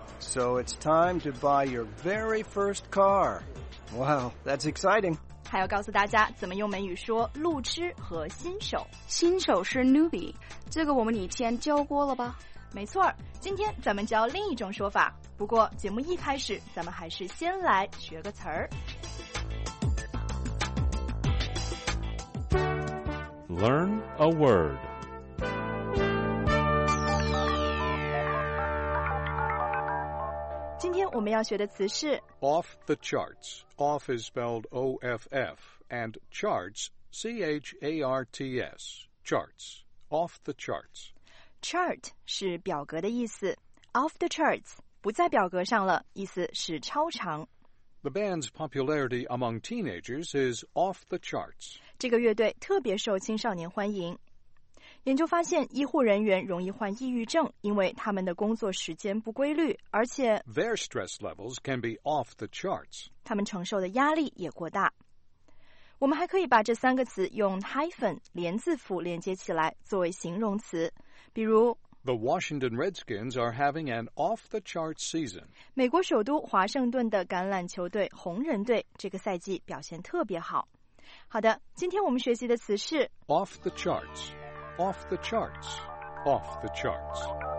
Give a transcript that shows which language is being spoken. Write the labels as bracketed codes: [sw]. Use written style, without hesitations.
[en] So it's time to buy your very first car. Wow, that's exciting. [zh] 还要告诉大家怎么用美语说路痴和新手。新手是 newbie, 这个我们以前教过了吧？没错，今天咱们教另一种说法，不过节目一开始咱们还是先来学个词儿。 [en] Learn a word. [zh] 今天我们要学的词是 [en] Off the charts. Off is spelled O-F-F and charts, C-H-A-R-T-S. Charts. Off the charts. [zh] Chart 是表格的意思 ，off the charts 不在表格上了，意思是超长。 [en] The band's popularity among teenagers is off the charts. [zh] 这个乐队特别受青少年欢迎。研究发现，医护人员容易患抑郁症，因为他们的工作时间不规律，而且 [en] their stress levels can be off the charts. [zh] 他们承受的压力也过大。我们还可以把这三个词用 hyphen 连字符连接起来作为形容词，比如 [en] The Washington Redskins are having an off-the-charts season. [zh] 美国首都华盛顿的橄榄球队红人队这个赛季表现特别好。好的，今天我们学习的词是 [en] off the charts, off the charts, off the charts.